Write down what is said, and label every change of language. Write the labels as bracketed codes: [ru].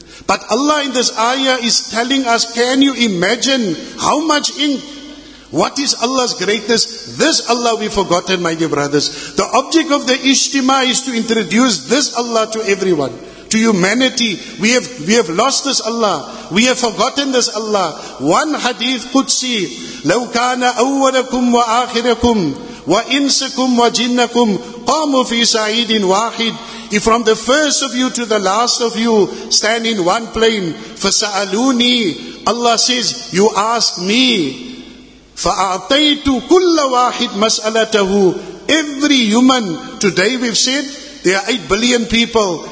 [en] But Allah in this ayah is telling us, can you imagine how much ink? What is Allah's greatness? This Allah we've forgotten, my dear brothers. The object of the ishtima is to introduce this Allah to everyone, to humanity. We have lost this Allah. We have forgotten this Allah. One hadith Qudsi, [ar] لَوْ كَانَ أَوَّلَكُمْ وَآخِرَكُمْ وَإِنسَكُمْ وَجِنَّكُمْ قَامُوا فِي سَعِيدٍ وَاحِدٍ. [en] If from the first of you to the last of you stand in one plane, [ar] فَسَأَلُونِي, [en] Allah says, you ask me. [ar] فَأَعْطَيْتُ كُلَّ وَاحِدٍ مَسْأَلَتَهُ. [en] Every human, today we've said, there are 8 billion people.